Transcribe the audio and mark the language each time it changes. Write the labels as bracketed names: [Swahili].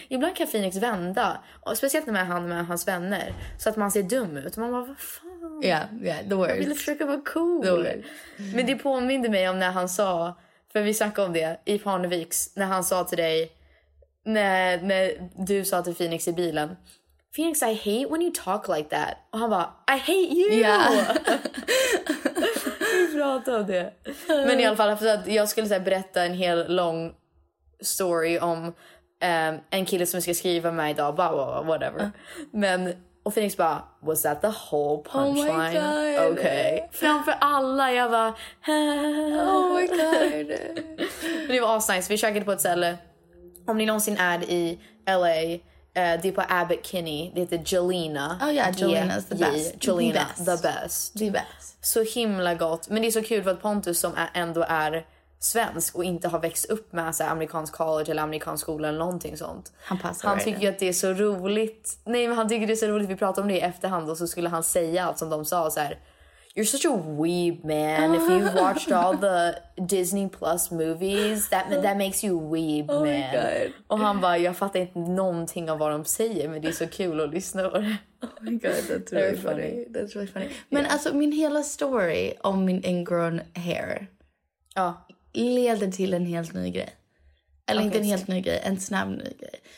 [Swedish] Ibland kan Phoenix vända. Och speciellt när han är med hans vänner. Så att man ser dum ut. Man bara, vad fan? [English] Yeah, yeah, the worst. [Swedish] Jag ville försöka vara cool. Men det påminner mig om när han sa... För vi snackade om det i Parneviks. När han sa till dig... När du sa till Phoenix i bilen... [English] Phoenix, I hate when you talk like that. [Swedish] Och han bara, [English] I hate you! Yeah. [Swedish] Vi pratade om det. Men i alla fall, för att jag skulle säga berätta en hel lång story om en kille som ska skriva med mig idag. [English] Blah, whatever. Men... [Swedish] Och Phoenix bara, [English] was that the whole punchline? Oh my god. [Swedish] Okay. Framför alla, jag bara, [English] oh my god. [Swedish] Men det var asnice, vi käkade på ett ställe. Om ni någonsin är i LA, det är på Abbott Kinney. Det heter Jelena. [English] Oh yeah, Jelena's the best. Jelena, the best. The best. [Swedish] Så himla gott. Men det är så kul för att Pontus som ändå är svensk och inte har växt upp med så här, amerikansk college eller amerikansk skola eller någonting sånt. Han tycker ju att det är så roligt. Nej, men han tycker det är så roligt att vi pratar om det i efterhand och så skulle han säga allt som de sa så här: [English] you're such a weeb man. If you watched all the Disney Plus movies, that makes you weeb man. Oh my god. [Swedish] Och han bara, jag fattar inte någonting av vad de säger, men det är så kul att lyssna på det. [English] Oh my god, that's really funny. That's really funny. [Swedish] Men yeah. Alltså, min hela story om min ingrown hair. Ja. Leder till en helt ny grej. Eller okay, inte en helt ny grej, en snabb ny grej.